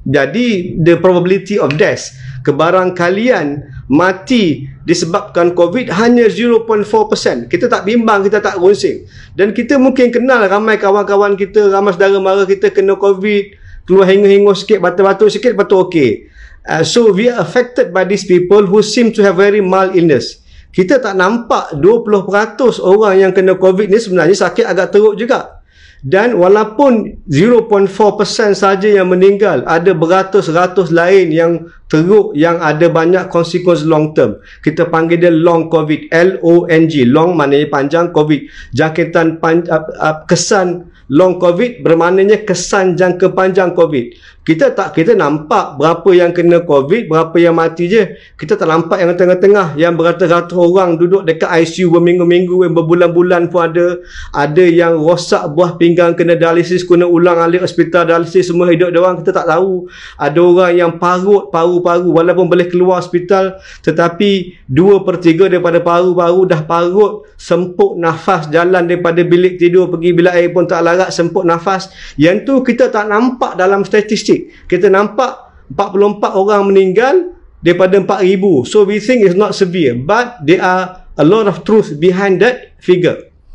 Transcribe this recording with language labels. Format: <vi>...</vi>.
<ms>Jadi,</ms> <en>the probability of death,</en> <ms>kebarangkalian mati disebabkan COVID hanya 0.4%. Kita tak bimbang, kita tak runsing. Dan kita mungkin kenal ramai kawan-kawan kita, ramai saudara mara kita kena COVID, keluar hingus-hingus sikit, batuk-batuk sikit, lepas tu okey.</ms> <en>So, we are affected by these people who seem to have very mild illness.</en> <ms>Kita tak nampak 20% orang yang kena COVID ni sebenarnya sakit agak teruk juga. Dan walaupun 0.4% saja yang meninggal, ada beratus-ratus lain yang teruk, yang ada banyak consequence</ms> <en>long term.</en> <ms>Kita panggil dia long COVID, L-O-N-G. Long maknanya panjang, COVID jangkitan kesan long COVID bermaknanya kesan jangka panjang COVID. Kita tak, kita nampak berapa yang kena COVID, berapa yang mati je. Kita tak nampak yang tengah-tengah yang beratus-ratus orang duduk dekat ICU berminggu-minggu, yang berbulan-bulan pun ada. Ada yang rosak buah pinggang, kena dialisis, kena ulang alik hospital dialisis, semua hidup dia orang, kita tak tahu. Ada orang yang parut paru-paru, walaupun boleh keluar hospital, tetapi 2/3 daripada paru-paru dah parut, semput nafas, jalan daripada bilik tidur pergi bilik air pun tak larat, semput nafas. Yang tu kita tak nampak dalam statistik. Kita nampak 44 orang meninggal daripada 4,000.</ms> <en>So we think it's not severe, but there are a lot of truth behind that figure.</en>